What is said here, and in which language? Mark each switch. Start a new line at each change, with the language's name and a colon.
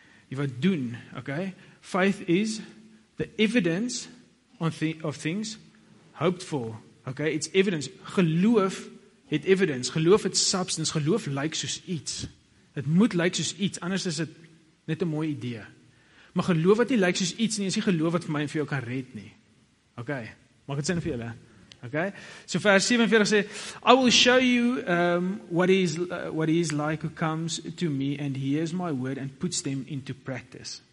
Afrikaans: Die wat doen, ok,
English: faith is the evidence of things hoped for,
Afrikaans: ok,
English: it's evidence,
Afrikaans: geloof het evidence, geloof het substance, geloof lyk soos iets, het moet lyk soos iets, anders is het net een mooie idee. Maar geloof wat nie lyk soos iets nie, is nie geloof wat vir my en vir jou kan red nie. Ok, maak het sin vir julle. Ok, so vers 47 sê,
English: I will show you what he is like who comes to me and hears my word and puts them into practice.